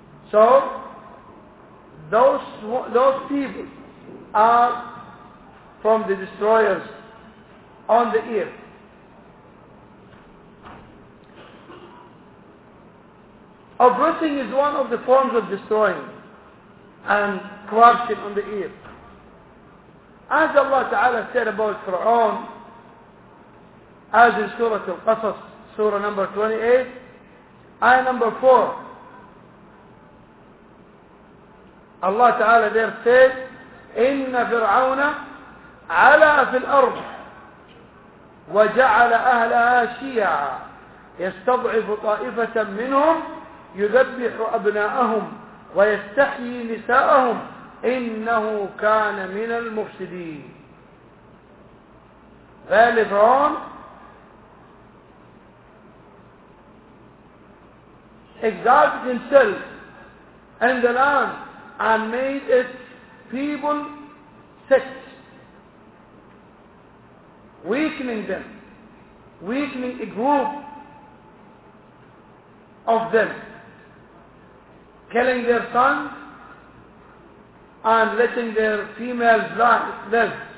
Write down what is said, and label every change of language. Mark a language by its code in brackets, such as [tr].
[en] So those people are from the destroyers on the earth. Uprooting is one of the forms of destroying and corruption on the earth. As Allah Ta'ala said about Fir'aun, as in Surah Al-Qasas, Surah number 28, Ayah number 4, Allah Ta'ala there said, [ar] إِنَّ فِرْعَوْنَ عَلَى فِي الْأَرْضِ وَجَعَلَ أَهْلَهَا شِيَعًا يَسْتَضْعِفُ طَائِفَةً مِّنْهُمْ يُذَبِّحُ أَبْنَاءَهُمْ وَيَسْتَحْيِي نِسَاءَهُمْ إِنَّهُ كَانَ مِنَ الْمُفْسِدِينَ. [en] Verily Fir'aun exalted himself in the land and made its people sick, weakening them, weakening a group of them, killing their sons and letting their females live.